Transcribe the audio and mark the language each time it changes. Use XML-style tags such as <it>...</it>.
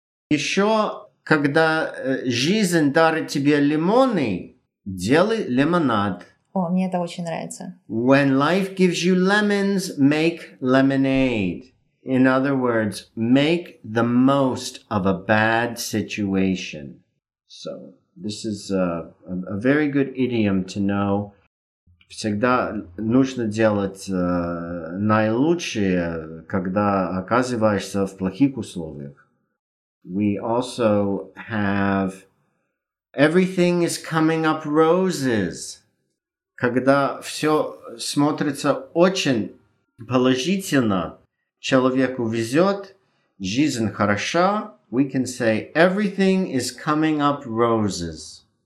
<ru>Еще, когда жизнь дарит тебе лимоны, делай лимонад. О, мне это очень нравится.</ru> <en>When life gives you lemons, make lemonade. In other words, make the most of a bad situation. So, this is a very good idiom to know.</en> <ru>Всегда нужно делать наилучшее, когда оказываешься в плохих условиях.</ru> <en>We also have everything is coming up roses.</en> <ru>Когда все смотрится очень положительно, человеку везет, жизнь хороша,</ru> <en>we can say everything is coming up roses.</en>